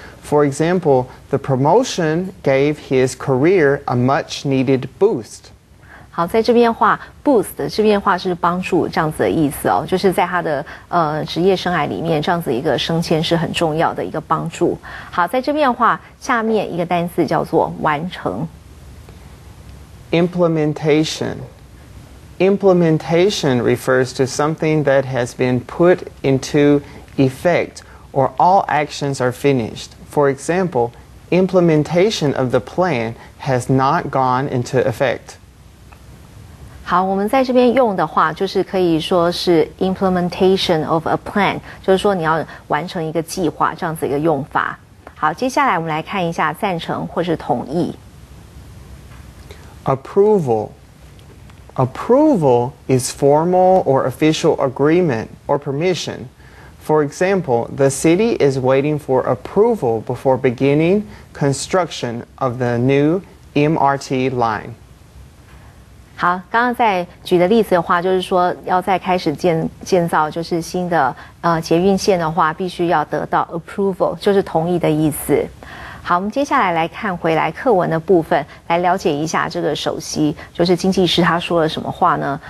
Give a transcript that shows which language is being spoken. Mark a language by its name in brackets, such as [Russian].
[English] For example, the promotion gave his career a much needed boost. [Chinese] 好，在这边的话 ，boost 这边的话是帮助这样子的意思哦，就是在他的职业生涯里面，这样子一个升迁是很重要的一个帮助。好，在这边的话，下面一个单词叫做完成 [English] ，implementation。 Implementation refers to something that has been put into effect or all actions are finished. For example, implementation of the plan has not gone into effect. [Chinese] 好，我们在这边用的话，就是可以说是 [English] implementation of a plan， [Chinese] 就是说你要完成一个计划这样子一个用法。好，接下来我们来看一下赞成或是同意。 [English] Approval. Approval is formal or official agreement or permission. For example, the city is waiting for approval before beginning construction of the new MRT line. [Chinese] 好，刚刚在举的例子的话，就是说要在开始建造就是新的捷运线的话，必须要得到 approval， 就是同意的意思。好，我们接下来来看回来课文的部分，来了解一下这个首席，就是经济师他说了什么话呢？